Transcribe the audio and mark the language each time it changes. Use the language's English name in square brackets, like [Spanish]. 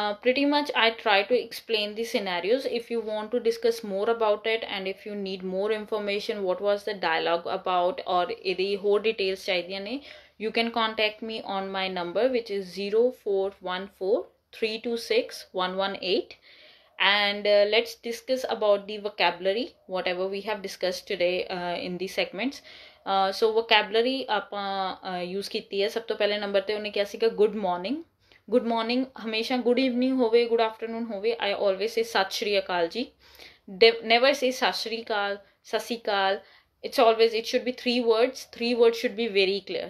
[English] pretty much I try to explain the scenarios, if you want to discuss more about it and if you need more information what was the dialogue about or [Punjabi] ਇਹਦੀ ਹੋਰ details ਚਾਹੀਦੀਆਂ ਨੇ, [English] You can contact me on my number which is 0414326118 And let's discuss about the vocabulary, whatever we have discussed today in the segments. So vocabulary [Punjabi] ਆਪਾਂ use ਕੀਤੀ ਹੈ ਸਭ ਤੋਂ ਪਹਿਲੇ ਨੰਬਰ ਤੇ ਉਹਨੇ ਕਿਹਾ ਸੀਗਾ [English] good morning. Good morning [Punjabi] ਹਮੇਸ਼ਾ [English] good evening [Punjabi] ਹੋਵੇ, [English] good afternoon [Punjabi] ਹੋਵੇ. [English] I always say [Punjabi] ਸਤਿ ਸ਼੍ਰੀ ਅਕਾਲ ਜੀ. [English] Never say [Punjabi] ਸਤਿ ਸ਼੍ਰੀ ਅਕਾਲ, ਸਤਿ ਸ਼੍ਰੀ ਅਕਾਲ. [English] It's always, it should be three words should be very clear.